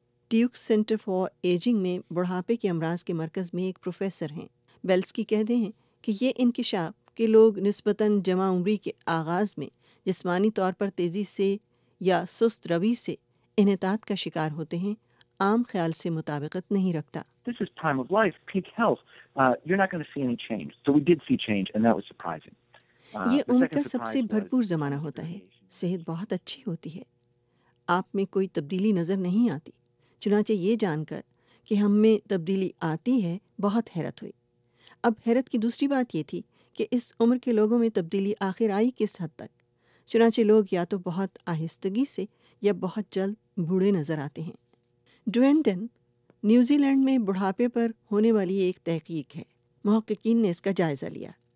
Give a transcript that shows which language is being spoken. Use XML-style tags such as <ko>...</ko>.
<ur>Duke centre for ageing میں بڑھاپے کے امراض کے مرکز میں ایک پروفیسر ہیں۔ بیلس کی کہتے ہیں کہ یہ انکشاف کہ لوگ نسبتاً جمع عمری کے آغاز میں جسمانی طور پر تیزی سے یا سست روی سے انحطاط کا شکار ہوتے ہیں عام خیال سے مطابقت نہیں رکھتا۔</ur> <en>This is time of life, peak health. You're not going to see any change. So we did see change and that was surprising.</en> <ur>یہ عمر کا سب سے بھرپور زمانہ ہوتا ہے، صحت بہت اچھی ہوتی ہے، آپ میں کوئی تبدیلی نظر نہیں آتی۔ چنانچہ یہ جان کر کہ ہم میں تبدیلی آتی ہے بہت حیرت ہوئی۔ اب حیرت کی دوسری بات یہ تھی کہ اس عمر کے لوگوں میں تبدیلی آخر آئی کس حد تک۔ چنانچہ لوگ یا تو بہت آہستگی سے یا بہت جلد بوڑھے نظر آتے ہیں۔ ڈوین ڈن نیوزی لینڈ میں بڑھاپے پر ہونے والی ایک تحقیق ہے، محققین نے اس کا جائزہ لیا۔</ur>